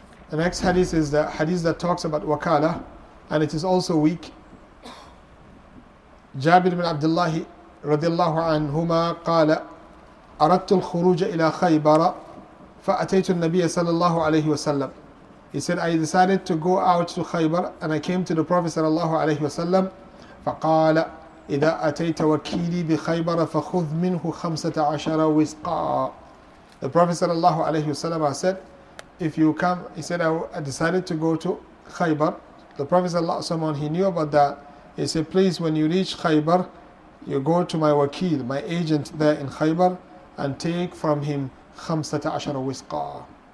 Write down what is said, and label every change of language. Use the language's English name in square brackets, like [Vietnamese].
[English] The next hadith is the hadith that talks about wakala, and it is also weak. [Arabic] Jabir bin Abdullah رضي الله عنهما قال أردت الخروج إلى خيبر فأتيت النبي صلى الله عليه وسلم. [English] He said, I decided to go out to Khaybar and I came to the Prophet [Arabic] صلى الله عليه وسلم. فقال إذا أتيت وكيلي بخيبر فخذ منه 15 وسقا. [English] The Prophet [Arabic] صلى الله عليه وسلم [English] said, if you come, he said, I decided to go to Khaybar. The Prophet [Arabic] صلى الله عليه وسلم, [English] he knew about that. He said, please, when you reach Khaybar, you go to my wakil, my agent there in Khaybar, and take from him 15 wisqa.